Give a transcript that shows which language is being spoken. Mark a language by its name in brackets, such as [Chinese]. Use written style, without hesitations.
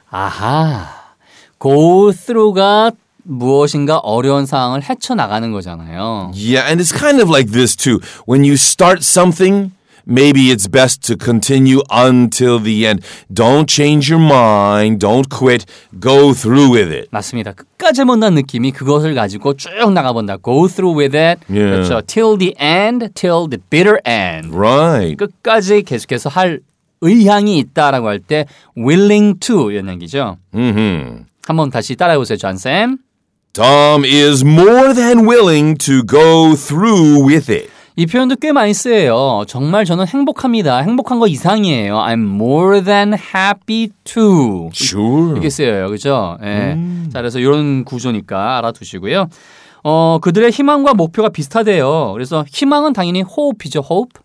[Korean] 아하, [English] go through [Korean] 가 무엇인가 어려운 상황을 헤쳐나가는 거잖아요. [English] Yeah, and it's kind of like this too. When you start something, maybe it's best to continue until the end. Don't change your mind. Don't quit. Go through with it. [Korean] 맞습니다. 끝까지 못난 느낌이 그것을 가지고 쭉 나가본다. [English] Go through with it. Yeah. [Korean] 그렇죠. [English] Till the end, till the bitter end. Right. [Korean] 끝까지 계속해서 할 의향이 있다라고 할 때 [English] willing to [Korean] 이런 얘기죠. Mm-hmm. 한번 다시 따라해보세요, 존쌤. [English] Tom is more than willing to go through with it. [Korean] 이 표현도 꽤 많이 쓰여요. 정말 저는 행복합니다. 행복한 거 이상이에요. [English] I'm more than happy to. Sure. [Korean] 이렇게 쓰여요. 그렇죠? 네. 자, 그래서 이런 구조니까 알아두시고요. 그들의 희망과 목표가 비슷하대요. 그래서 희망은 당연히 hope이죠. Hope.